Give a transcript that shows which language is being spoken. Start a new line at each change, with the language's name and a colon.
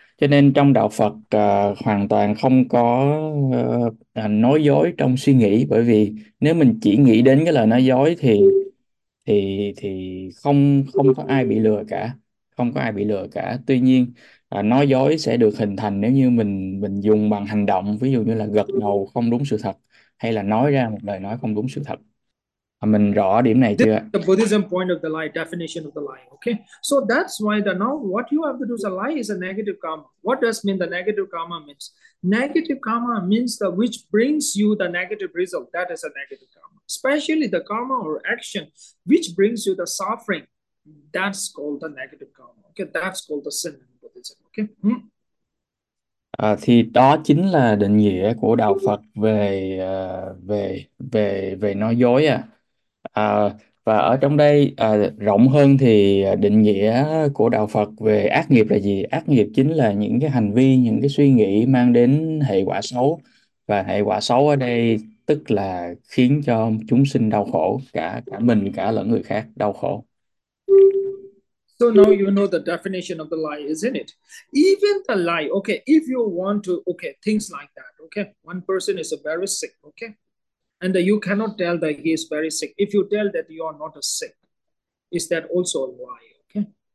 Vietnamese: Cho nên trong đạo Phật hoàn toàn không có nói dối trong suy nghĩ, bởi vì nếu mình chỉ nghĩ đến cái lời nói dối thì không không có ai bị lừa cả. Không có ai bị lừa cả. Tuy nhiên, nói dối sẽ được hình thành nếu như mình dùng bằng hành động, ví dụ như là gật đầu không đúng sự thật, hay là nói ra một lời nói không đúng sự thật. Mình rõ điểm này chưa ạ?
English: The Buddhism point of the lie, definition of the lie. Okay, so that's why the now what you have to do is a lie is a negative karma. What does mean the negative karma means? Negative karma means the which brings you the negative result. That is a negative karma. Especially the karma or action which brings you the suffering, that's called the negative karma. Okay, that's called the sin in Buddhism. Okay.
Vietnamese: Thì đó chính là định nghĩa của đạo Phật về về về về nói dối ạ. Và ở trong đây rộng hơn thì định nghĩa của đạo Phật về ác nghiệp là gì? Ác nghiệp chính là những cái hành vi, những cái suy nghĩ mang đến hệ quả xấu, và hệ quả xấu ở đây tức là khiến cho chúng sinh đau khổ, cả cả mình cả lẫn người khác đau khổ.
English: So now you know the definition of the lie, isn't it? Even the lie, okay, if you want to, okay, things like that, okay, one person is very sick, okay, and you cannot tell that he is very sick. If you tell that you are not sick, is that also a lie, okay?